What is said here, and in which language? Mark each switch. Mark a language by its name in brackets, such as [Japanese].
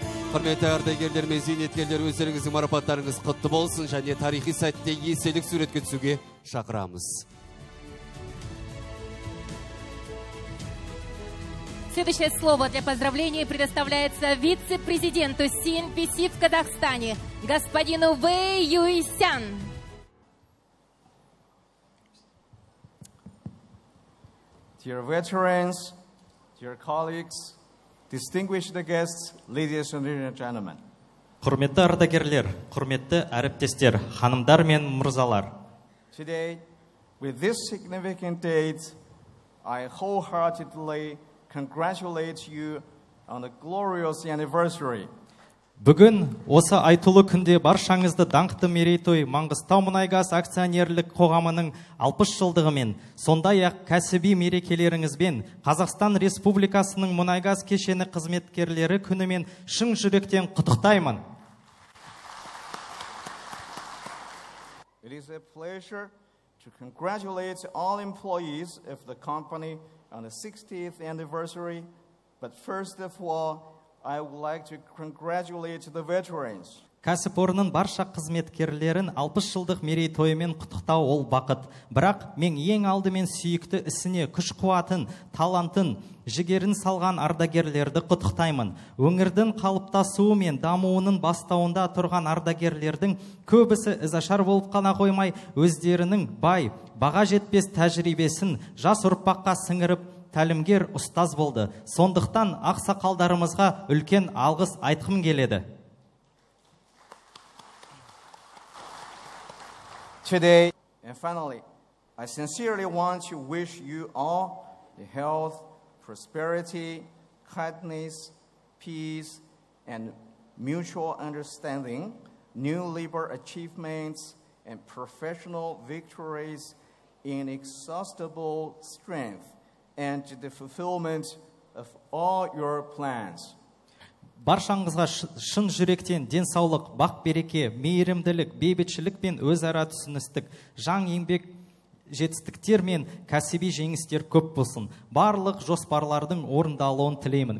[Kazakh] Құрметті ардагерлер мен зейнеткерлер, өздеріңіздің марапаттарыңыз құтты болсын және тарихи сәтте еселік суретке түсуге шақырамыз. [Russian] Следующее слово для поздравления предоставляется вице-президенту CNPC в Казахстане, господину Вэй Юйсян. [English] Dear veterans, dear colleagues, distinguished guests, ladies and gentlemen. [Kazakh] Құрметті ардагерлер, құрметті әріптестер, ханымдар мен мырзалар. [English] Today, with this significant date, I wholeheartedly congratulate you on a glorious anniversary. [Kazakh] Бүгін осы айтулы күнде баршаңызды даңқты мерейтой Маңғыстау мұнайгаз акционерлік қоғамының 60 жылдығымен, сондай-ақ кәсіби мерекелеріңізбен, Қазақстан Республикасының мұнайгаз кешені қызметкерлері күнімен шын жүректен құттықтаймын. [English] It is a pleasure to congratulate all employees of the company on the 60th anniversary, but first of all, I would like to congratulate the veterans. [Kazakh] Кәсіпорнын барша қызметкерлерін 60 жылдық мерейтойымен құттықтау ол бақыт. Бірақ мен ең алдымен сүйікті ісіне күш-қуатын, талантын, жігерін салған ардагерлерді құттықтаймын. Өңірдің қалыптасуы мен дамуының бастауында тұрған ардагерлердің көбісі ізашар болып қана қоймай, өздерінің бай, баға жетпес тәжірибесін жас ұрпаққа сіңіріп, тәлімгер ұстаз болды. Сондықтан ақсақалдарымызға үлкен алғыс айтқым келеді. [English] Today, and finally, I sincerely want to wish you all the health, prosperity, kindness, peace, and mutual understanding, new labor achievements, and professional victories, inexhaustible strength, and the fulfillment of all your plans. [Kazakh] Баршаңызға шын жүректен денсаулық, бақ береке, мейірімділік, бейбітшілік пен өзара түсіністік, жан еңбек жетістіктер мен кәсіби жеңістер көп болсын. Барлық жоспарлардың орындалуын тілеймін.